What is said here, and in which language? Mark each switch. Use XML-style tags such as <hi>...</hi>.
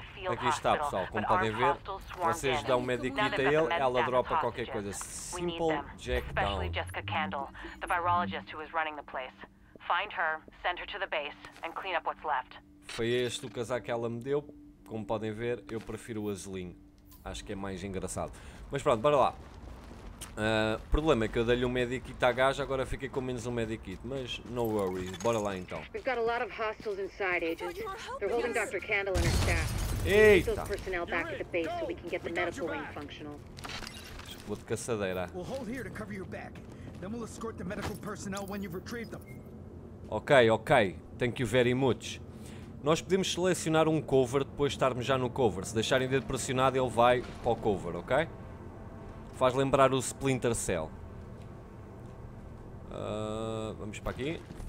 <pt>Aqui está, pessoal, como podem ver, vocês dão um medikit a ele, ela dropa qualquer coisa.</pt> <en>Simple Jack Down. Jessica Candle, the virologist who is running the place. Find her, send her to the base and clean up what's left.</en> <pt>Foi este o casaco que ela me deu. Como podem ver, eu prefiro o azulinho. Acho que é mais engraçado. Mas pronto, bora lá. Problema é que eu dei-lhe um medikit à gaja, agora fiquei com menos um medikit, mas</pt> <en>no worries,</en> <pt>bora lá então.</pt> <en>We've got a lot of hostiles inside, agent. They're holding Dr. Candle and her staff.</en> <pt>Eita.</pt> <en>Personnel back at the base so we can get the medical wing functional.</en> <pt>Vou de caçadeira.</pt> <en>We'll hold here to cover your back. Then we'll escort the medical personnel when you've retrieved them. Ok, ok. Thank you very much.</en> <pt>Nós podemos selecionar um cover depois de estarmos já no cover. Se deixarem o dedo pressionado, ele vai para o cover, ok? Faz lembrar o Splinter Cell. Vamos para aqui.</pt>